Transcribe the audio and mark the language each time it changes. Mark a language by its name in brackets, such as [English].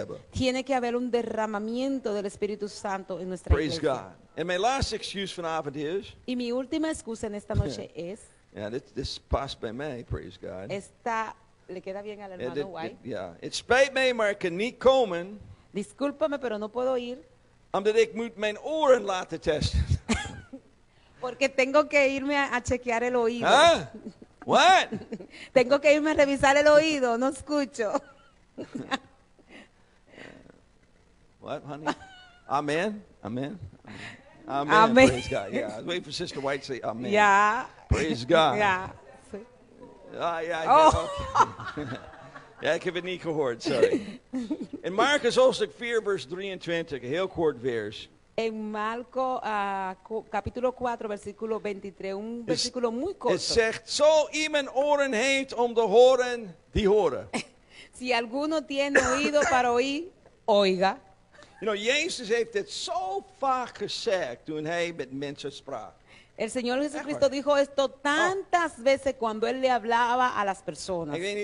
[Spanish] Tiene que haber un derramamiento del Espíritu Santo en nuestra [English] iglesia. Praise God. And my last excuse [Dutch] vanavond [English] is. [Spanish] Y mi última excusa en esta noche es. [English] Yeah, this passed by me. Praise God. [Spanish] Esta le queda bien al hermano White. [English] Yeah, it's by me, Mark and Nick Coleman. [Spanish] Discúlpame, pero no puedo ir. [Dutch] Omdat ik moet mijn oren laten testen. [Spanish] Porque tengo que irme a chequear el oído. [English] Huh? What? [Spanish] Tengo que irme a revisar el oído. No escucho. [English] What, honey? Amen. Amen. Amen. Amen. Praise God. Yeah. I was waiting for Sister White to say amen. Yeah. Praise God. Yeah. Yeah. Oh. [Dutch] Yeah, ik heb het niet gehoord, sorry. In Marcus hoofdstuk 4, vers 23, een heel kort vers. [Spanish] In Marco, capítulo 4, versículo 23, un versículo muy corto. [Dutch] Het zegt, zo iemand oren heeft om te horen, die horen. [Spanish] Si alguno tiene oído para oír, oiga. [English] You know, [Dutch] Jezus heeft dit zo vaak gezegd toen hij met mensen sprak. [Spanish] El Señor Jesucristo dijo esto tantas veces cuando Él le hablaba a las personas.